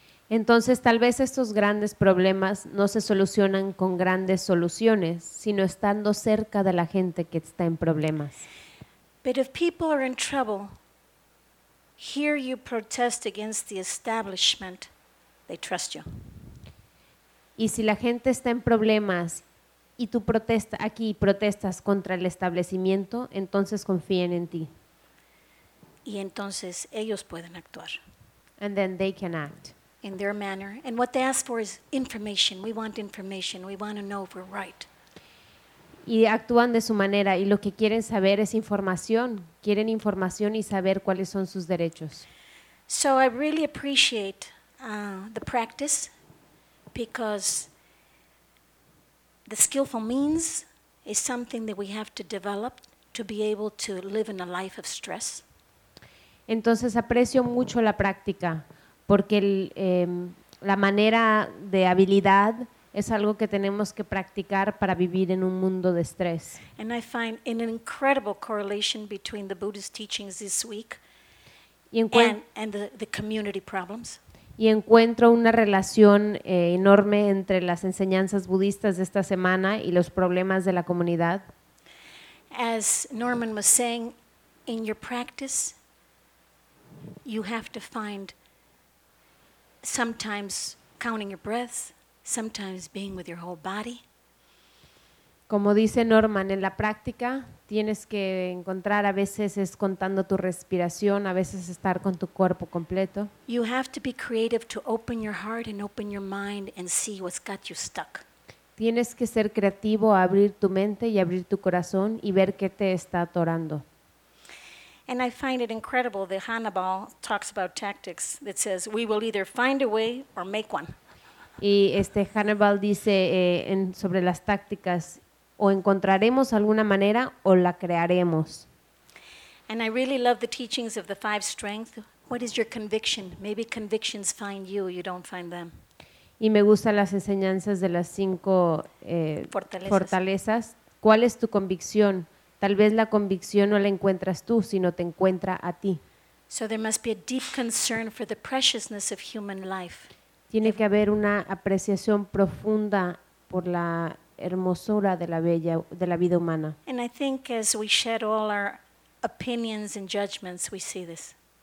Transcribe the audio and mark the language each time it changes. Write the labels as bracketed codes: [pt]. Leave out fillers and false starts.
[es] Entonces, tal vez estos grandes problemas no se solucionan con grandes soluciones, sino estando cerca de la gente que está en problemas. [en] But if people are in trouble, hear you protest against the establishment, they trust you. [es] Y si la gente está en problemas y tú protestas aquí y protestas contra el establecimiento, entonces confíen en ti. Y entonces ellos pueden actuar. [en] And then they can act. In their manner. And what they ask for is information. We want information. We want to know if we're right. [es] Y actúan de su manera y lo que quieren saber es información. Quieren información y saber cuáles son sus derechos. [en] So I really appreciate the practice because the skillful means is something that we have to develop to be able to live in a life of stress. [es] Entonces aprecio mucho la práctica porque la manera de habilidad es algo que tenemos que practicar para vivir en un mundo de estrés. [en] And I find an incredible correlation between the Buddhist teachings this week and the community problems. [es] Y encuentro una relación enorme entre las enseñanzas budistas de esta semana y los problemas de la comunidad. [en] As Norman was saying, in your practice, you have to find sometimes counting your breaths, sometimes being with your whole body. [es] Como dice Norman, en la práctica tienes que encontrar, a veces es contando tu respiración, a veces estar con tu cuerpo completo. [en] You have to be creative to open your heart and open your mind and see what's got you stuck. [es] Tienes que ser creativo, abrir tu mente y abrir tu corazón y ver qué te está atorando. [en] And I find it incredible that Hannibal talks about tactics that says we will either find a way or make one. [es] Y Hannibal dice sobre las tácticas, o encontraremos alguna manera o la crearemos. [en] And I really love the teachings of the five strengths. What is your conviction? Maybe convictions find you, you don't find them. [es] Y me gustan las enseñanzas de las cinco fortalezas. ¿Cuál es tu convicción? Tal vez la convicción no la encuentras tú, sino te encuentra a ti. [en] So there must be a deep concern for the preciousness of human life. [es] Tiene que haber una apreciación profunda por la hermosura de la vida humana. [en] And I think as we shed all our opinions and judgments, we see this.